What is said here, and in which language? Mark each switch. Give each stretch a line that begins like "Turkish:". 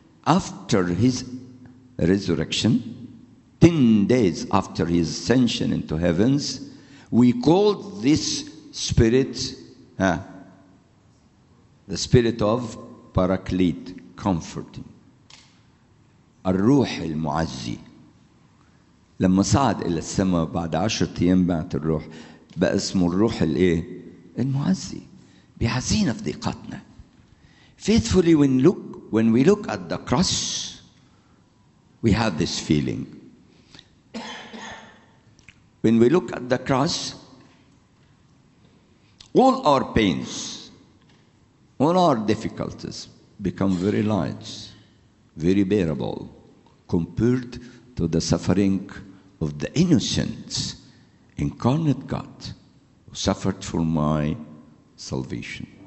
English: after his resurrection, 10 days after his ascension into heavens, we call this spirit the spirit of Paraclete, comforting.
Arabic: الروح المعزي. لما صعد إلى السماء بعد 10 أيام بعت الروح بقى اسمه الروح الايه؟ المعزي. بيعزينا في ضيقتنا.
English: Faithfully when we look at the cross, we have this feeling. When we look at the cross, all our pains, all our difficulties become very light, very bearable compared to the suffering of the innocent incarnate God who suffered for my salvation.